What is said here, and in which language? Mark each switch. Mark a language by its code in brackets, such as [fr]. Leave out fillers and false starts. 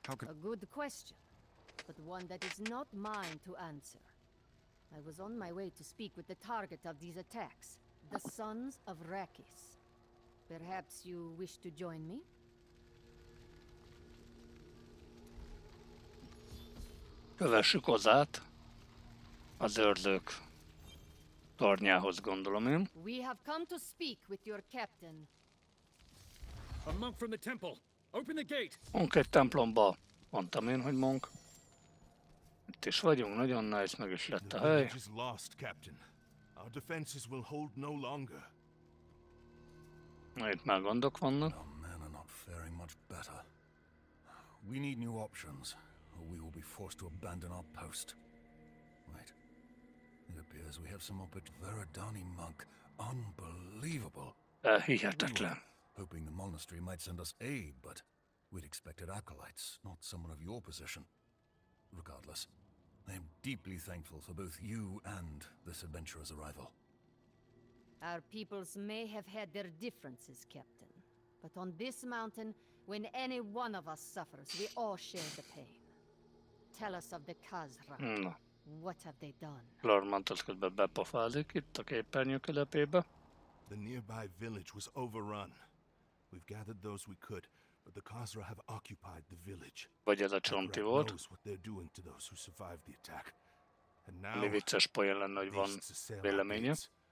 [en] A good question, but one that is not mine to answer. I was on my way to speak with the target of these attacks, the Sons of Rakis. Perhaps you wish to join me? [hu] Kövessük Ozát, az őrzők tornyához, gondolom én. [en] We have come to speak with your captain. A monk from the temple! Open the gate! [hu] Monk egy templomba, mondtam én, hogy monk. Itt is vagyunk, nagyon nice, meg is lett a hely. [en] The village is lost, Captain. Our defenses will hold no longer. [hu] Na, itt már gondok vannak. [en] Our men are not faring much better. We need new options, or we will be forced to abandon our post. Wait. It appears we have some up at Veridani monk. Unbelievable. [hu] Hihetetlen. [en] Hoping the monastery might send us aid, but we'd expected acolytes, not someone of your position. Regardless, I am deeply thankful for both you and this adventurer's arrival. Our peoples may have had their differences, Captain. But on this mountain, when any one of us suffers, we all share the pain. Tell us of the Khazra. No. What have they done? [hu] Lord Mantle's got bepofázik itt a képernyő közepébe. [en] The nearby village was overrun. We've gathered those we could. But the Khazra have occupied the village. [hu] Vagy ez a csonti volt. [en] Knows what they're doing to those who survived the attack. And now, [hu] mi vicces poén lenne, hogy van véleménye.